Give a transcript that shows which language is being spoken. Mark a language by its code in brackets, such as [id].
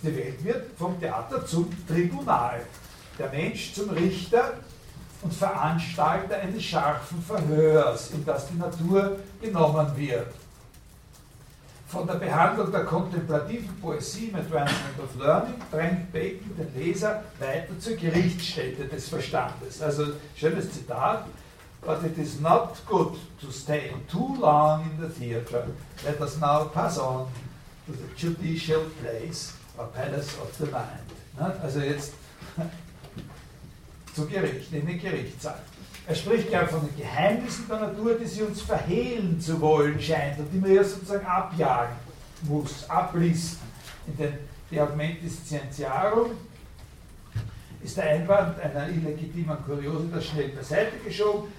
[de] Die Welt wird vom Theater zum Tribunal, der Mensch zum Richter und Veranstalter eines scharfen Verhörs, in das die Natur genommen wird. Von der Behandlung der kontemplativen Poesie im Advancement of Learning drängt Bacon den Leser weiter zur Gerichtsstätte des Verstandes. Also, schönes Zitat. [en] But it is not good to stay too long in the theatre. Let us now pass on to the judicial place or palace of the mind. [de] Ne? Also jetzt zu Gericht, in den Gerichtssaal. Er spricht ja von den Geheimnissen der Natur, die sie uns verhehlen zu wollen scheint und die man ja sozusagen abjagen muss, ablisten. In den De Augmentis Scientiarum ist der Einwand einer illegitimen Kuriositas schnell beiseite geschoben.